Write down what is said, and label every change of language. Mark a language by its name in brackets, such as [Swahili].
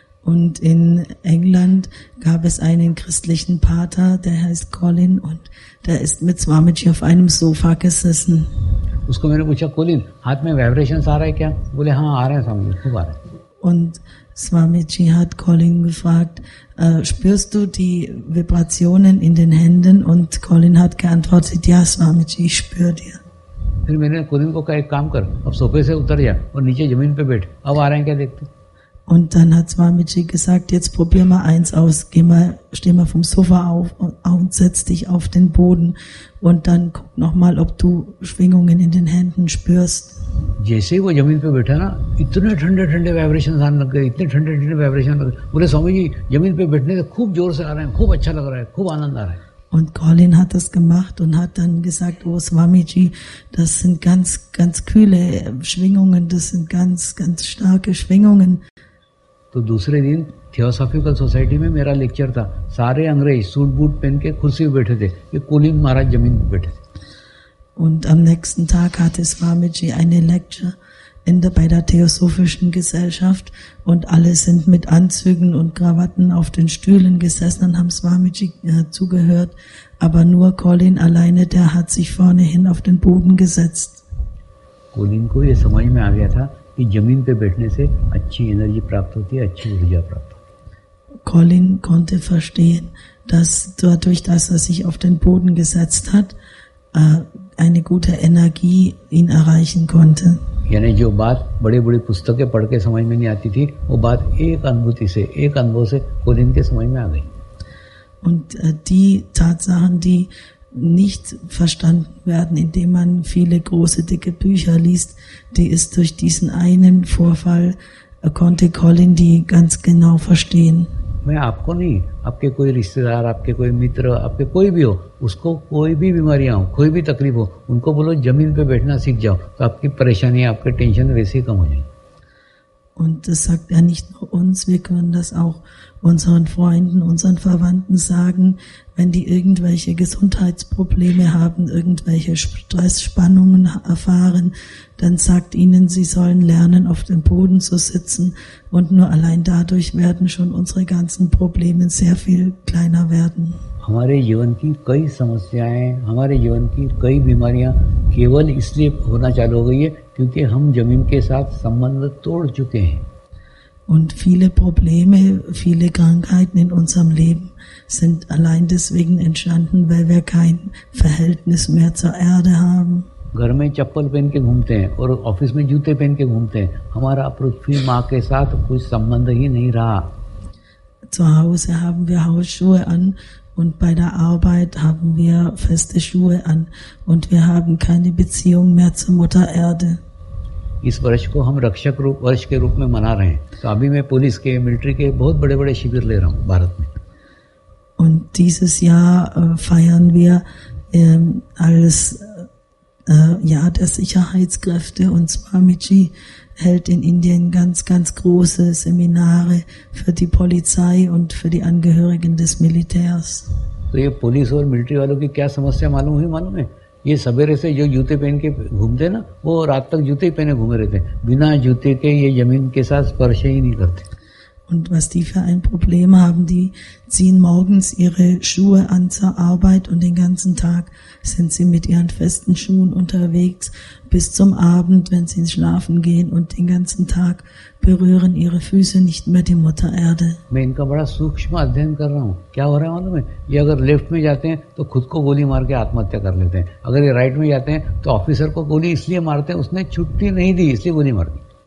[German] Und in England gab es einen christlichen Pater, der heißt Colin, und der ist mit Swamiji auf einem Sofa gesessen. [Hindi] उसको मैंने पूछा, Colin, हाथ में vibration आ रहा है क्या? बोले हाँ आ रहा है स्वामी, खूब आ रहा है। [German] Und Swamiji hat Colin gefragt, spürst du die Vibrationen in den Händen? Und Colin hat geantwortet, ja, Swamiji, ich spüre dir. [Hindi] फिर मैंने कोलिन को कहा, एक काम कर, अब सोफे से उतर जा और नीचे जमीन पे बैठ, अब आ रहे हैं क्या देखते। [German] Und dann hat Swamiji gesagt, jetzt probier mal eins aus, steh mal vom Sofa auf und setz dich auf den Boden und dann guck nochmal, ob du Schwingungen in den Händen spürst. [Hindi] जैसे ही वो जमीन पे बैठा ना, इतने ठंडे ठंडे vibration आने लग गए, इतने ठंडे ठंडे वाइब्रेशन लग गए। बोले स्वामी जी, जमीन पे बैठने से खूब जोर से आ रहे हैं, खूब अच्छा लग रहा है, खूब आनंद आ रहा है। [German] Und Colin hat das gemacht und hat dann gesagt, oh Swamiji, das sind ganz, ganz kühle Schwingungen, das sind ganz, ganz starke Schwingungen. [Hindi] तो दूसरे दिन थियोसॉफिकल सोसाइटी में मेरा लेक्चर था, सारे अंग्रेज सूट बूट पहन के कुर्सी पे बैठे थे, ये कोलिन महाराज जमीन पे बैठे थे। [German] Und am nächsten Tag hatte Swamiji eine Lecture bei der Theosophischen Gesellschaft und alle sind mit Anzügen und Krawatten auf den Stühlen gesessen und haben Swamiji zugehört, aber nur Colin alleine, der hat sich vorne hin auf den Boden gesetzt. [Hindi] Colin को ये समझ में आ गया था कि जमीन पे बैठने से अच्छी एनर्जी प्राप्त होती है, अच्छी ऊर्जा प्राप्त होती है। [German] Colin konnte verstehen, dass dadurch, dass sich auf den Boden gesetzt hat, eine gute Energie ihn erreichen konnte. [Hindi] यानी जो बात बड़े बड़े पुस्तकें पढ़ के समझ में नहीं आती थी, वो बात एक अनुभूति से, एक अनुभव से कोलिन के समझ में आ गई। [German] Und die Tatsachen, die nicht verstanden werden, indem man viele große dicke Bücher liest, die ist durch diesen einen Vorfall konnte Colin die ganz genau verstehen. [Hindi] मैं आपको नहीं, आपके कोई रिश्तेदार, आपके कोई मित्र, आपके कोई भी हो, उसको कोई भी बीमारियां हो, कोई भी तकलीफ हो, उनको बोलो जमीन पे बैठना सीख जाओ, तो आपकी परेशानी, आपके टेंशन वैसे ही कम हो जाएंगे। [German] Und das sagt er nicht nur uns, wir können das auch unseren Freunden, unseren Verwandten sagen, wenn die irgendwelche Gesundheitsprobleme haben, irgendwelche Stressspannungen erfahren, dann sagt ihnen, sie sollen lernen, auf dem Boden zu sitzen, und nur allein dadurch werden schon unsere ganzen Probleme sehr viel kleiner werden. [Hindi] हमारे जीवन की कई समस्याएं, हमारे जीवन की कई बीमारियां केवल इसलिए होना चालू हो गई है क्योंकि हम जमीन के साथ संबंध तोड़ चुके हैं. [German] Und viele Probleme, viele Krankheiten in unserem Leben sind allein deswegen entstanden, weil wir kein Verhältnis mehr zur Erde haben. [Hindi] घर में चप्पल पहन के घूमते हैं और ऑफिस में जूते पहन के घूमते हैं. हमारा पृथ्वी माँ के साथ कोई संबंध ही नहीं रहा. [German] Zu Hause haben wir Hausschuhe an und bei der Arbeit haben wir feste Schuhe an und wir haben keine Beziehung mehr zur Mutter Erde. [Hindi] इस वर्ष को हम रक्षक रूप वर्ष के रूप में मना रहे हैं. तो अभी मैं पुलिस के मिलिट्री के बहुत बड़े बड़े शिविर ले रहा हूँ भारत में. [German] Und dieses Jahr feiern wir als Jahr der Sicherheitskräfte und Swamiji hält in Indien ganz, ganz große Seminare für die Polizei und für die Angehörigen des Militärs. [Hindi] तो ये पुलिस और मिलिट्री वालों की क्या समस्या मालूम हुई मालूम है? ये सवेरे से जो जूते पहन के घूमते ना वो रात तक जूते ही पहने घूमे रहते हैं. बिना जूते के ये जमीन के साथ स्पर्श ही नहीं करते. [German] Und was die für ein Problem haben, die ziehen morgens ihre Schuhe an zur Arbeit und den ganzen Tag sind sie mit ihren festen Schuhen unterwegs bis zum Abend, wenn sie ins Schlafen gehen, und den ganzen Tag berühren ihre Füße nicht mehr die Mutter Erde. [Hindi] मैं इनका बड़ा सूक्ष्म अध्ययन कर रहा हूँ. क्या हो रहा है मालूम है? ये अगर लेफ्ट में जाते हैं तो खुद को गोली मार के आत्महत्या कर लेते हैं. अगर ये राइट में जाते हैं तो ऑफिसर को गोली इसलिए मारते हैं, उसने छुट्टी नहीं दी इसलिए गोली मार दी.